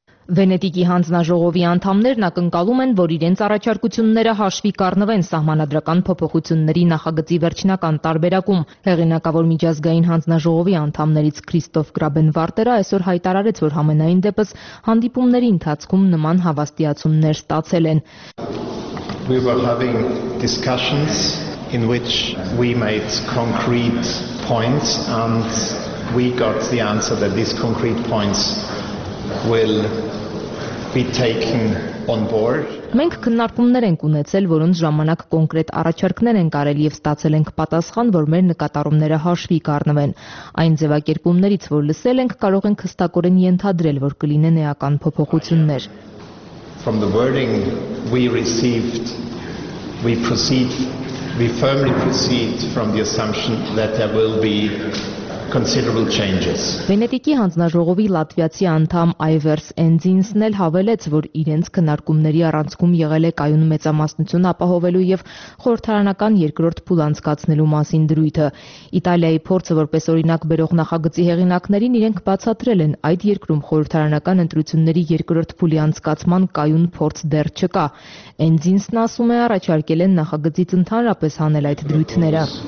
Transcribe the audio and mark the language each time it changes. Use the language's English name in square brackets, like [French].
[Armenian] Վենետիկի հանձնաժողովի անդամներն ակնկալում են, որ իրենց առաջարկությունները հաշվի կառնվեն սահմանադրական փոփոխությունների նախագծի վերջնական տարբերակում։ Հեղինակավոր միջազգային հանձնաժողովի անդամներից Քրիստոֆ Գրաբենվարտերը այսօր հայտարարեց, որ համենայն դեպս հանդիպումների ընթացքում նման հավաստիացումներ ստացել են։ [English] We were having discussions in which we made concrete points and we got the answer that these concrete points will be taken on board. [Armenian] Մենք քննարկումներ ենք ունեցել, որոնց ժամանակ կոնկրետ առաջարկներ են կարել եւ ստացել ենք պատասխան, որ մեր նկատառումները հաշվի կառնվեն։ Այն ձևակերպումներից, որ լսել ենք, կարող ենք հստակորեն ենթադրել, որ կլինեն էական փոփոխություններ։ [English] From the wording we received, we firmly proceed from the assumption that there will be considerable changes. [Armenian] Վենետիկի հանձնաժողովի լատվիացի անդամ Այվերս Էնձինսն էլ հավելեց, որ իրենց քննարկումների առանցքում եղել է կայուն մեծամասնություն ապահովելու եւ խորհրդարանական երկրորդ փուլ անցկացնելու մասին դրույթը։ Իտալիայի փորձը, որպես օրինակ բերող նախագծի հեղինակներին, իրենք բացատրել են, այդ երկրում խորհրդարանական ընտրությունների երկրորդ փուլի անցկացման կայուն փորձ դեռ չկա։ Էնձինսն ասում է, առաջարկել են նախագծից ընդհանրապես հանել այդ դրույթները։